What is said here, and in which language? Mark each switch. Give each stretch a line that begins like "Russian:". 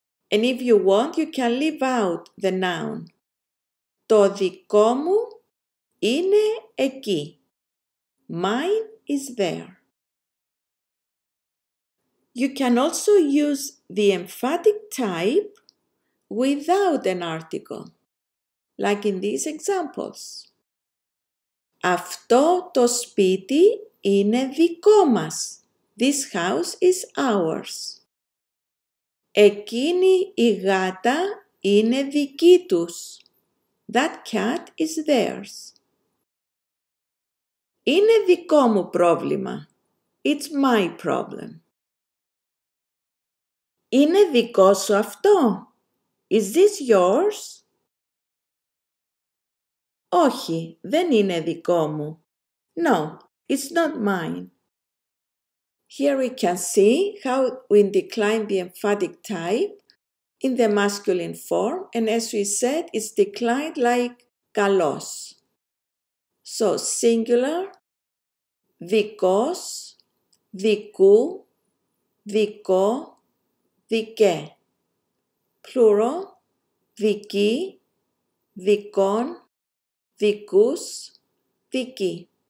English: And if you want, you can leave out the noun.
Greek: Το δικό μου είναι εκεί.
English: Mine is there. You can also use the emphatic type without an article, like in these examples.
Greek: Αυτό το σπίτι είναι δικό μας.
English: This house is ours.
Greek: Εκείνη η γάτα Είναι δική τους.
English: That cat is theirs.
Greek: Είναι δικό μου πρόβλημα.
English: It's my problem.
Greek: Είναι δικό σου αυτό.
English: Is this yours?
Greek: Όχι, δεν είναι δικό μου.
English: No, it's not mine. Here we can see how we decline the emphatic type in the masculine form, and as we said, it's declined like καλός. So, singular,
Greek: δικός, δικού, δικό, δικέ. Plural, δική, δικών, δικούς, δική.